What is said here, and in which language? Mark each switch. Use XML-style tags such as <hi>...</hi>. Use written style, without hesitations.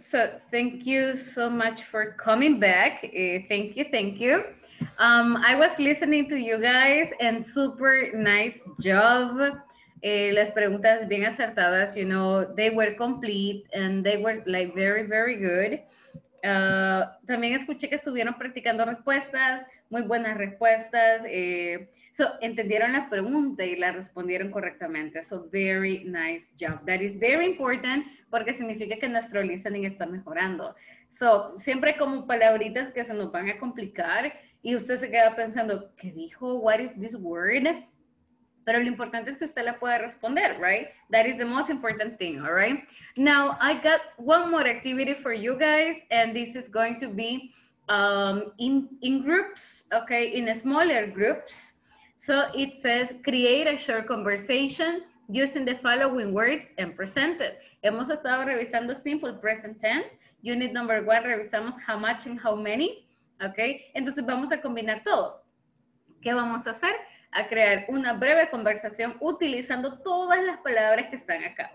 <en>So thank you so much for coming back. Thank you. I was listening to you guys and super nice job.</en> <es>Las preguntas bien acertadas,</es> <en>you know, they were complete and they were like very, very good.</en> <es>También escuché que estuvieron practicando respuestas, muy buenas respuestas. So, entendieron la pregunta y la respondieron correctamente.</es> <en>So, very nice job. That is very important</en> <es>porque significa que nuestro listening está mejorando. So, siempre como palabritas que se nos van a complicar y usted se queda pensando, ¿qué dijo?</es> <en>What is this word?</en> <es>Pero lo importante es que usted la pueda responder, right?</es> <en>That is the most important thing, all right? Now, I got one more activity for you guys, and this is going to be in groups, okay? In smaller groups. So it says, create a short conversation using the following words and present it.</en> <es>Hemos estado revisando</es> <en>simple present tense. Unit number one,</en> <es>revisamos</es> <en>how much and how many, okay?</en> <es>Entonces vamos a combinar todo. ¿Qué vamos a hacer? A crear una breve conversación utilizando todas las palabras que están acá.</es>